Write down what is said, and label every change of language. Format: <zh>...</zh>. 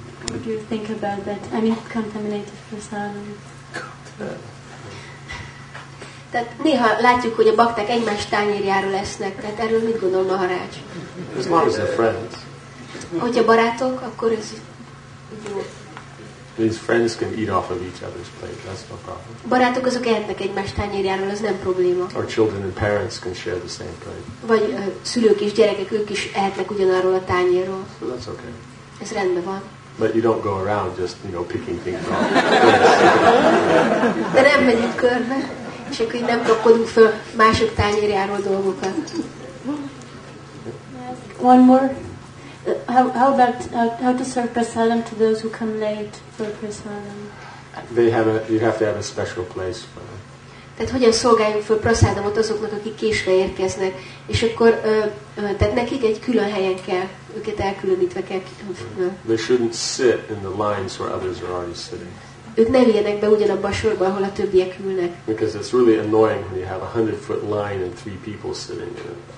<en>What do you think about that? I mean, contaminated prasadam.</en> <hu>Tehát néha látjuk, hogy a bakták egymás tányérjáról esznek. Tehát erről mit gondol Maharács?</hu> <en>As long as they're friends.</en> <hu>Hogyha barátok, akkor ez jó.</hu> <en>These friends can eat off of each other's plate. That's no problem.</en> <hu>Barátok azok ehetnek egymás tányérjáról, az nem probléma.</hu> <en>Our children and parents can share the same plate.</en> <hu>Vagy szülők és gyerekek, ők is ehetnek ugyanarról a tányérról.</hu> <en>So that's okay.</en> <hu>Ez rendben van.</hu> <en>But you don't go around just, you know, picking things off.</en> <hu>De nem megyünk körbe, és akkor így nem kapkodunk föl mások tányérjáról dolgokat.</hu> <en>One more. How about how to serve prasadam to those who come late for prasadam? You have to have a special place for them.</en> <hu>Tehát hogyan szolgáljunk föl prasadamot azoknak, akik késve érkeznek, és akkor tehát nekik egy külön helyen kell, őket elkülönítve kell.</hu> <en>They shouldn't sit in the lines where others are already sitting.</en> <hu>Ők ne üljenek be ugyanabba a sorba, ahol a többiek ülnek.</hu> <en>Because it's really annoying when you have a 100-foot line and three people sitting in it.</en>